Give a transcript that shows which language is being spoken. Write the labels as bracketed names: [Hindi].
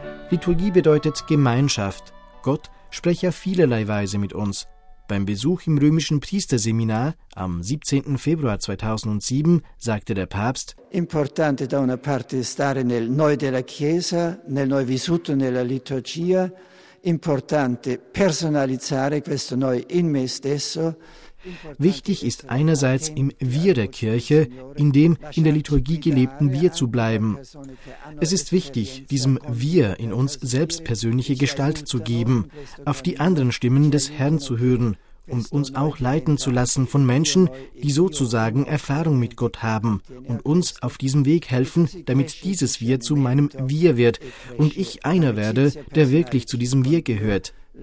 [German] Liturgie bedeutet Gemeinschaft. Gott spricht auf vielerlei Weise mit uns. Beim Besuch im römischen Priesterseminar am 17. Februar 2007 sagte der Papst: [Italian] Importante da una parte stare nel noi della Chiesa, nel noi vissuto nella liturgia, importante personalizzare questo noi in me stesso. [German] Wichtig ist einerseits im Wir der Kirche, in dem in der Liturgie gelebten Wir zu bleiben. Es ist wichtig, diesem Wir in uns selbst persönliche Gestalt zu geben, auf die anderen Stimmen des Herrn zu hören und uns auch leiten zu lassen von Menschen, die sozusagen Erfahrung mit Gott haben und uns auf diesem Weg helfen, damit dieses Wir zu meinem Wir wird und ich einer werde, der wirklich zu diesem Wir gehört.